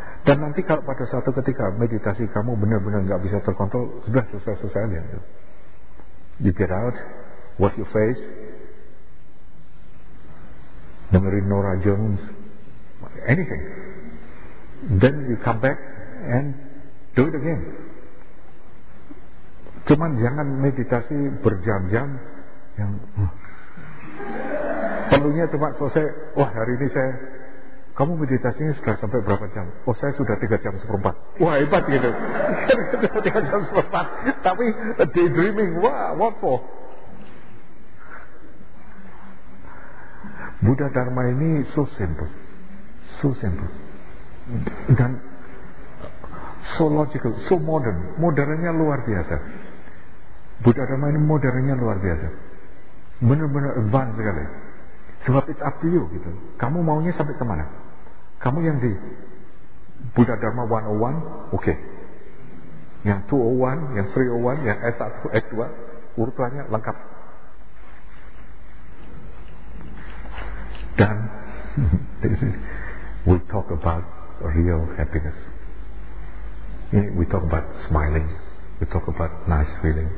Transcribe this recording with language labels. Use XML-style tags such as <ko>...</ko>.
<id>Dan nanti kalau pada suatu ketika meditasi kamu benar-benar gak bisa terkontrol, sudah selesai aja.</id> <en>You get out, wash your face, dengerin Norah Jones, anything. Then you come back and do it again.</en> <id>Cuman jangan meditasi berjam-jam yang perlunya cuma selesai, wah hari ini saya. Kamu meditasinya sudah sampai berapa jam? Oh, saya sudah 3 jam 1/4. Wah, hebat gitu. 3 jam 1/4. Tapi daydreaming. Wah,</id> <en>what for? Buddha Dharma ini so simple, so simple, dan so logical, so modern.</en> <id>Modernnya luar biasa. Buddha Dharma ini modernnya luar biasa, benar-benar advance sekali. Sebab</id> <en>it's up to you</en> <id>gitu. Kamu maunya sampai kemana? Kamu yang di Buddha Dharma 101, okay. Yang 201, yang 301, yang S1, S2, urutannya lengkap.</id> <en>Dan this is, we talk about real happiness. Ini we talk about smiling, we talk about nice feeling.</en>